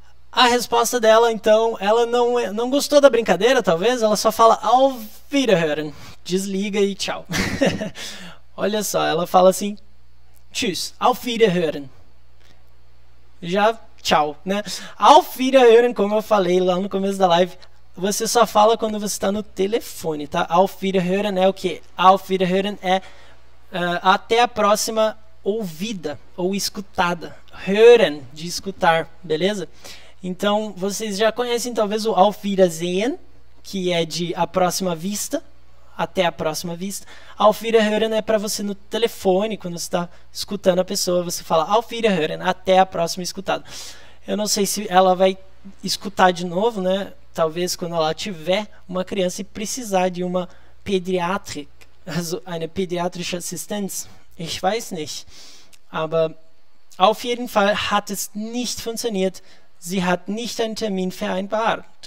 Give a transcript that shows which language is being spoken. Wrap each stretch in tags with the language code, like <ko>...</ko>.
<pt>A resposta dela, então, ela não gostou da brincadeira, talvez. Ela só fala auf Wiederhören. Desliga e tchau. Olha só, ela fala assim:</pt> <de>tschüss, auf Wiederhören.</de> <pt>Já tchau, né? Auf Wiederhören, como eu falei lá no começo da live, você só fala quando você está no telefone, tá? Auf Wiederhören é o quê? Auf Wiederhören é até a próxima ouvida ou escutada. Hören, de escutar, beleza? Então, vocês já conhecem talvez o Auf Wiedersehen, que é de a próxima vista, até a próxima vista. Auf Wiederhören é para você no telefone, quando você está escutando a pessoa, você fala Auf Wiederhören, até a próxima escutada. Eu não sei se ela vai escutar de novo, né? Talvez quando ela tiver uma criança e precisar de uma pediatric,</pt> <de>also eine pediatrische Assistenz, ich weiß nicht. Aber auf jeden Fall hat es nicht funktioniert. Sie hat nicht einen Termin vereinbart.</de>